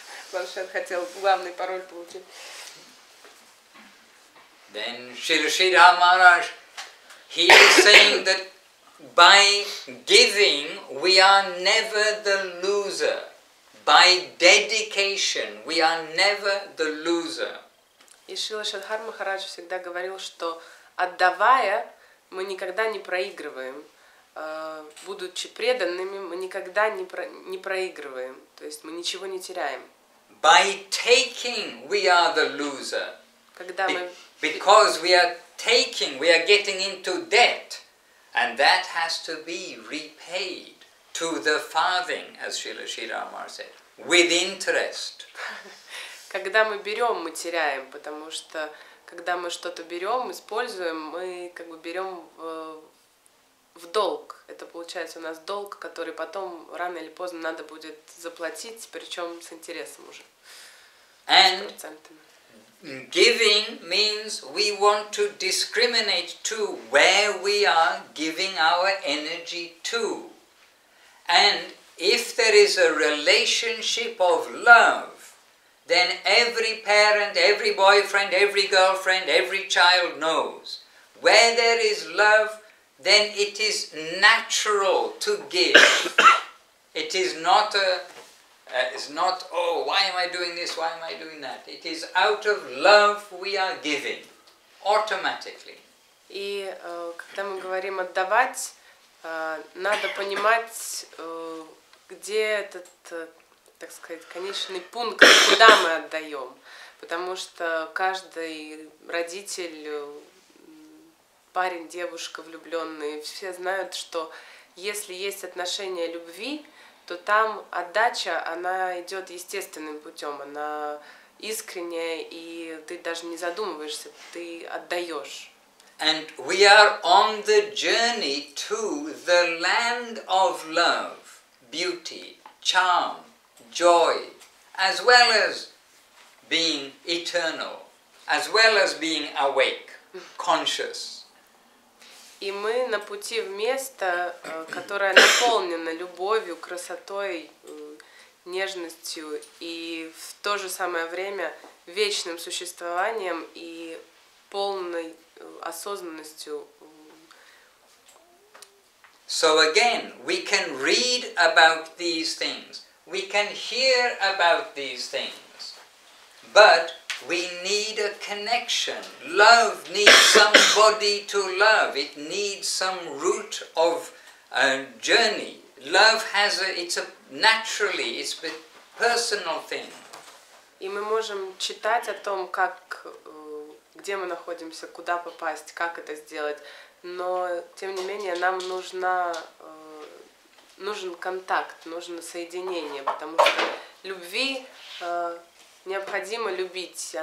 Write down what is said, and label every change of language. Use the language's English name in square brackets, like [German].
[Russian] Планшет хотел главный пароль получить. [English] Then Шрила Шридамаш. He is saying that by giving, we are never the loser. By dedication, we are never the loser. [Russian] И Шрила Шридхар Махарадж всегда говорил, что отдавая, мы никогда не проигрываем. Будучи преданными, мы никогда не проигрываем. То есть мы ничего не теряем. [English] By taking, we are the loser. [Russian] Когда мы... [English] Because we are... Taking, we are getting into debt, and that has to be repaid to the farthing, as Srila Sridharmar said, with interest. [Russian] Когда мы берем, мы теряем, потому что когда мы что-то берем, используем, мы как бы берем в долг. Это получается у нас долг, который потом рано или поздно надо будет заплатить, причем с интересом уже. [English] And giving means we want to discriminate to where we are giving our energy to. And If there is a relationship of love, then every parent, every boyfriend, every girlfriend, every child knows. Where there is love, then it is natural to give. It is not a, it's not, oh, why am I doing this, why am I doing that? It is out of love we are giving, automatically. [Russian] И когда мы говорим отдавать, надо понимать, где этот, так сказать, конечный пункт, куда мы отдаем. Потому что каждый родитель, парень, девушка, влюбленный, все знают, что если есть отношения любви, то там отдача, она идет естественным путем, она искренняя, и ты даже не задумываешься, ты отдаешь. [English] And we are on the journey to the land of love, beauty, charm, joy, as well as being eternal, as well as being awake, conscious. [Russian] И мы на пути в место, которое наполнено любовью, красотой, нежностью и в то же самое время вечным существованием и полной осознанностью. [English] So again, we can read about these things, we can hear about these things, but we need a connection. Love needs somebody to love. It needs some route of a journey. Love has a, it's a naturally, it's a personal thing. [Russian] И мы можем читать о том, как где мы находимся, куда попасть, как это сделать. Но, тем не менее, нам нужна, нужен контакт, нужно соединение, потому что любви необходимо любить.